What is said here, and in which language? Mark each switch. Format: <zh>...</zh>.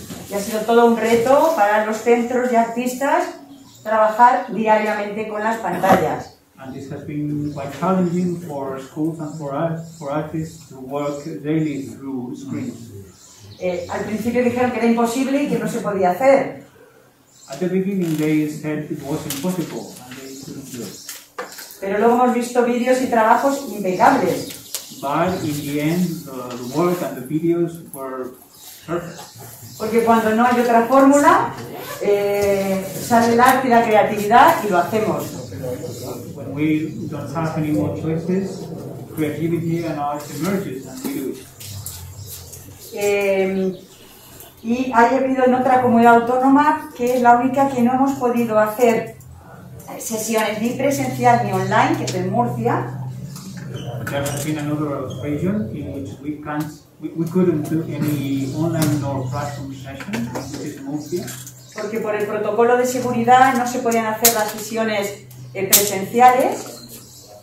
<es>Y ha sido todo un reto para los centros y artistas trabajar diariamente con las pantallas.</es> <en>And this has been quite challenging for schools and for artists to work daily through screens.</en> <es>Al principio dijeron que era imposible y que no se podía hacer.</es> <en>At the beginning they said it was impossible and they couldn't do it.</en> <es>Pero luego hemos visto vídeos y trabajos impecables.</es> <en>But in the end, the work and the videos were</en> <es>Porque cuando no hay otra fórmula, sale el arte y la creatividad y lo hacemos.</es> <en>We don't have any more choices. Creativity and art emerges and we do it.</en> <es>Y ha habido en otra comunidad autónoma que es la única que no hemos podido hacer sesiones ni presencial ni online, que es en Murcia.</es> <en>There has been another occasion in which we couldn't do any online or classroom session, which is Murcia.</en> <es>Porque por el protocolo de seguridad no se podían hacer las sesiones presenciales.</es>